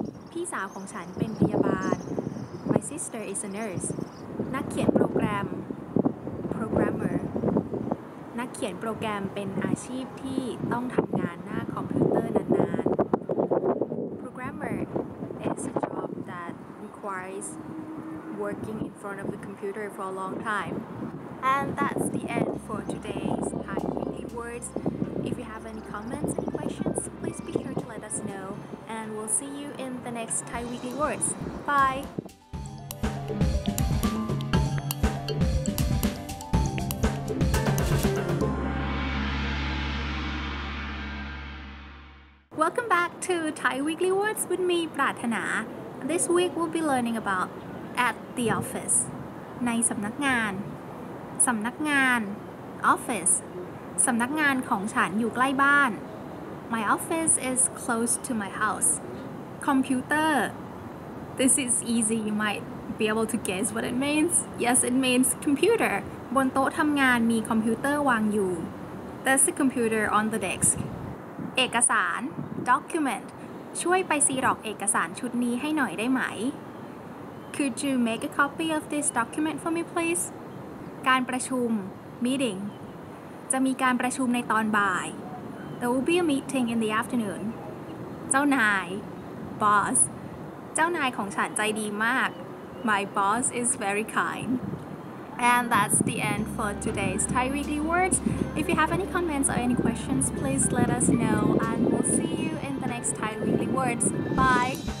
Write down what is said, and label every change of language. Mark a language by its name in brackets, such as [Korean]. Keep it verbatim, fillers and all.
[English] พี่สาวของฉันเป็นพยาบาล My sister is a nurse นักเขียนโปรแกรม programmer นักเขียนโปรแกรมเป็นอาชีพที่ต้องทำงานหน้าคอมพิวเตอร์นานๆ programmer is a job that requires working in front of the computer for a long time. And that's the end for today's Thai Weekly Words. If you have any comments, any questions, please be sure to let us know. And we'll see you in the next Thai Weekly Words. Bye! Welcome back to Thai Weekly Words with me, Prathana. This week we'll be learning about at the office. [Thai] ในสำนักงาน สำนักงาน office. [English] สำนักงานของฉันอยู่ใกล้บ้าน My office is close to my house. Computer. This is easy. You might be able to guess what it means. Yes, it means computer. [Thai] บนโต๊ะทำงานมีคอมพิวเตอร์วางอยู่ There's a computer on the desk. [English] เอกสารdocument ช่วยไปซีร็อกเอกสารชุดนี้ให้หน่อยได้ไหม Could you make a copy of this document for me please การประชุม meeting จะมีการประชุมในตอนบ่าย There will be a meeting in the afternoon เจ้านาย boss เจ้านายของฉันใจดีมาก My boss is very kind And that's the end for today's Thai Weekly Words. If you have any comments or any questions, please let us know. And we'll see you in the next Thai Weekly Words. Bye.